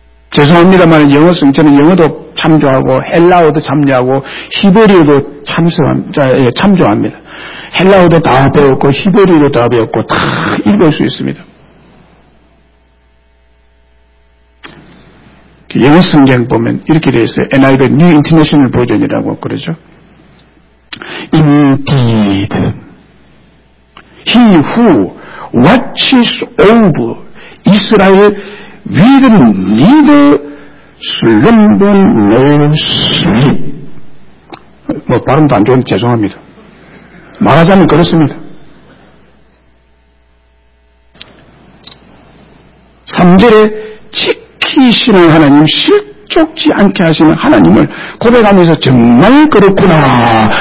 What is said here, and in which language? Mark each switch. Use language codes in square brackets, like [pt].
[ko] 죄송합니다만 영어성, 저는 영어도 참조하고 헬라어도 참조하고 히브리어도 참조합니다. 헬라어도 다 배웠고 히브리어도 다 배웠고 다 읽을 수 있습니다. 영어 성경 보면 이렇게 되어 있어요. [en] NIV New International Version [ko] 이라고 그러죠. [en] Indeed, he who watches over Israel will neither slumber nor sleep. [ko] 뭐 발음도 안 좋은데 죄송합니다. 말하자면 그렇습니다. 3절에 지키시는 하나님, 실족지 않게 하시는 하나님을 고백하면서 정말 그렇구나.